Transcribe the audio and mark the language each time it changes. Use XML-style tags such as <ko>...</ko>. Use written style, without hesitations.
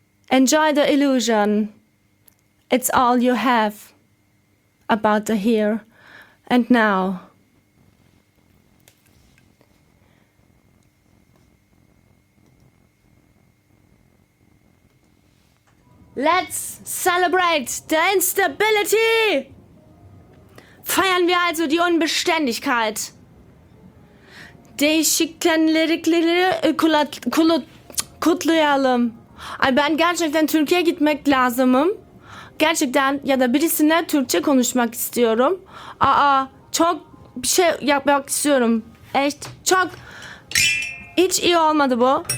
<en>Enjoy the illusion. It's all you have about the here and now. Let's celebrate the instability!</en> <de>Feiern wir also die Unbeständigkeit.</de> <tr>Değişiklikleri kutlayalım. Ay ben gerçekten Türkiye'ye gitmek lazımım. Gerçekten ya da birisine Türkçe konuşmak istiyorum. Aa çok bir şey yapmak istiyorum. Echt çok hiç iyi olmadı bu.</tr>